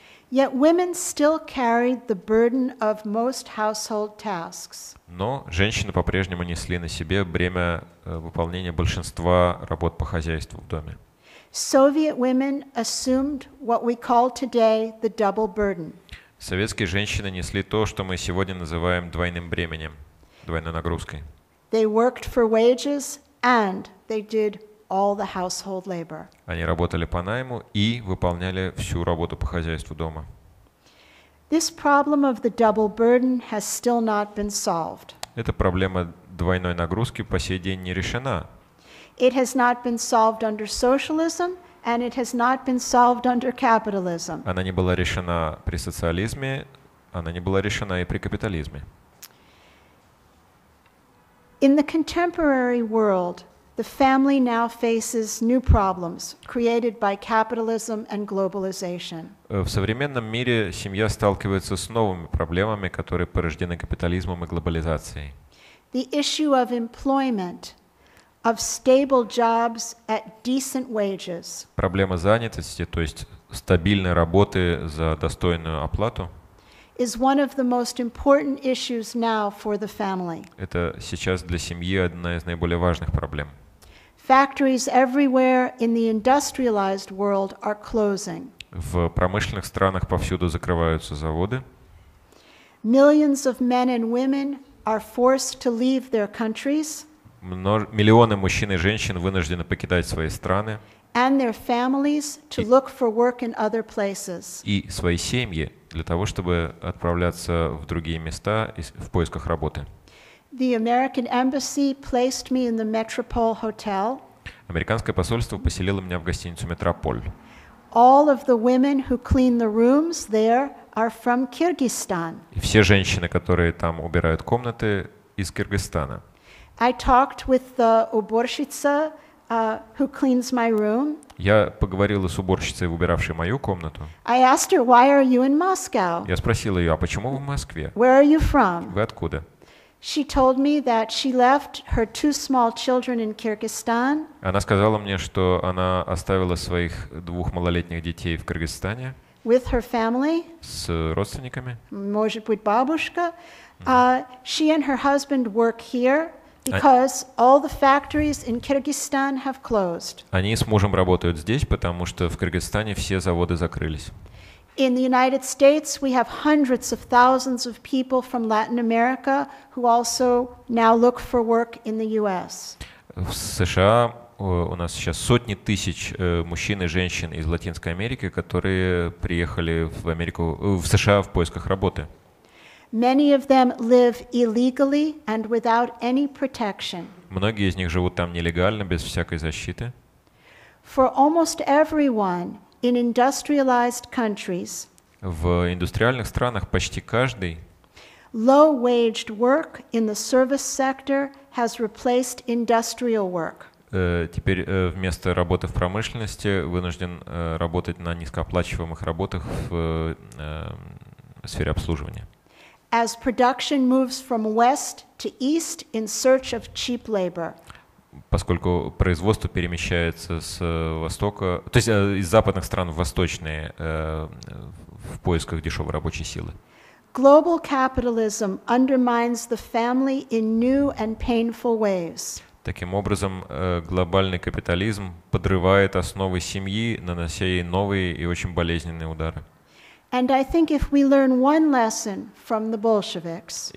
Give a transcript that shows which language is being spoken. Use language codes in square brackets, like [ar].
[en] Yet women still carried the burden of most household tasks. [ru] Но женщины по-прежнему несли на себе бремя выполнения большинства работ по хозяйству в доме. [en] Soviet women assumed what we call today the double burden. [ru] Советские женщины несли то, что мы сегодня называем двойным бременем, двойной нагрузкой. [en] They worked for wages and they did all the household labor. [ru] Они работали по найму и выполняли всю работу по хозяйству дома. [en] This problem of the double burden has still not been solved. [ru] Эта проблема двойной нагрузки по сей день не решена. [en] It has not been solved under socialism. And it has not been solved under capitalism. [ru] Она не была решена при социализме, она не была решена и при капитализме. [en] In the contemporary world, the family now faces new problems created by capitalism and globalization. [ru] В современном мире семья сталкивается с новыми проблемами, которые порождены капитализмом и глобализацией. [en] The issue of employment, of stable jobs at decent wages. [ru] Проблема занятости, то есть стабильной работы за достойную оплату, [en] is one of the most important issues now for the family. [ru] Это сейчас для семьи одна из наиболее важных проблем. [en] Factories everywhere in the industrialized world are closing. [ru] В промышленных странах повсюду закрываются заводы. [en] Millions of men and women are forced to leave their countries. [ru] Миллионы мужчин и женщин вынуждены покидать свои страны. [en] And their families to look for work in other places. [ru] И свои семьи для того, чтобы отправляться в другие места в поисках работы. [en] The American embassy placed me in the Metropole Hotel. [ru] Американское посольство поселило меня в гостиницу Метрополь. [en] All of the women who clean the rooms there are from Kyrgyzstan. [ru] Все женщины, которые там убирают комнаты, из Кыргызстана. [en] I talked with the уборщица who cleans my room. [ru] Я поговорила с уборщицей, убиравшей мою комнату. [en] I asked her, why are you in Moscow? [ru] Я спросил ее, а почему вы в Москве? [en] Where are you from? [ru] Вы откуда? [en] She told me that she left her two small children in Kyrgyzstan. [ru] Она сказала мне, что она оставила своих двух малолетних детей в Кыргызстане. [en] With her family. [ru] С родственниками. Может быть, бабушка. [en] She and her husband work here because all the factories in Kyrgyzstan have closed. [ru] Они с мужем работают здесь, потому что в Кыргызстане все заводы закрылись. [en] In the United States, we have hundreds of thousands of people from Latin America who also now look for work in the U.S. [ru] В США у нас сейчас сотни тысяч мужчин и женщин из Латинской Америки, которые приехали в Америку, в США в поисках работы. [en] Many of them live illegally and without any protection. [ru] Многие из них живут там нелегально, без всякой защиты. [en] For almost everyone. In industrialized countries, [ru] в индустриальных странах почти каждый [en] low-waged work in the service sector has replaced industrial work. [ru] Теперь вместо работы в промышленности вынужден работать на низкооплачиваемых работах в сфере обслуживания. [en] As production moves from west to east in search of cheap labor. [ru] Поскольку производство перемещается с востока, то есть из западных стран в восточные в поисках дешевой рабочей силы. [en] Global capitalism undermines the family in new and painful ways. [ru] Таким образом, глобальный капитализм подрывает основы семьи, нанося ей новые и очень болезненные удары. [en] And I think if we learn one lesson from the Bolsheviks.